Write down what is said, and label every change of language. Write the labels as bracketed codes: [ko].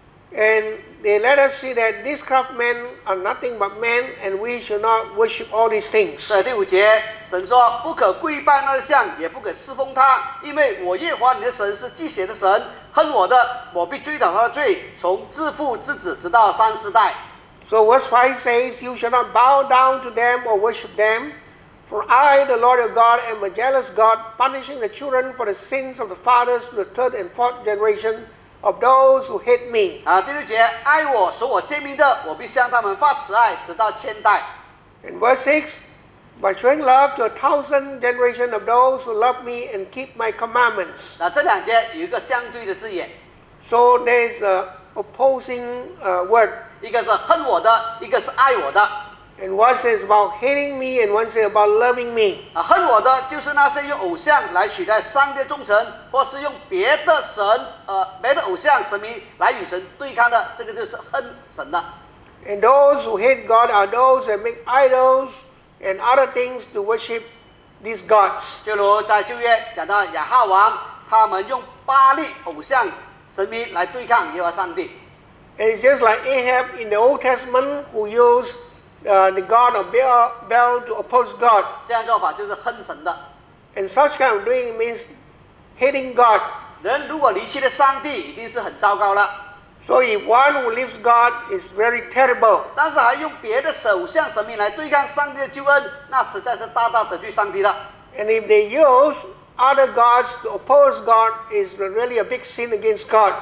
[en] And they let us see that these craftsmen are nothing but men, and we should not worship all these things. [zh] 第五节，神说不可跪拜那像，也不可侍奉他，因为我耶和华你的神是祭血的神，恨我的，我必追讨他的罪，从自父至子，直到三世代。 [en] So verse 5 says, you shall not bow down to them or worship them, for I, the Lord your God, am a jealous God, punishing the children for the sins of the fathers to the third and fourth generation. Of those who hate me. [zh] 第六节，爱我、守我诫命的，我必向他们发慈爱，直到千代。 [en] In verse 6, by showing love to a thousand generation of those who love me and keep my commandments. [zh] 这两节有一个相对的字眼。 [en] So there's an opposing word. [zh] 一个是恨我的，一个是爱我的。 [en] And one says about hating me, and one says about loving me. [zh] 恨我的就是那些用偶像来取代上帝忠诚，或是用别的神，别的偶像神明来与神对抗的，这个就是恨神的。 [en] And those who hate God are those that make idols and other things to worship these gods. [zh] 就如在旧约讲到亚哈王，他们用巴利偶像神明来对抗耶和华上帝。 [en] And it's just like Ahab in the Old Testament who used the god of Baal to oppose God. [zh] 这样做法就是恨神的。 [en] And such kind of doing means hating God. [zh] 人如果离弃了上帝，一定是很糟糕了。 [en] So if one who leaves God is very terrible. [zh] 但是还用别的偶像神明来对抗上帝的救恩，那实在是大大得罪上帝了。 [en] And if they use other gods to oppose God, is really a big sin against God.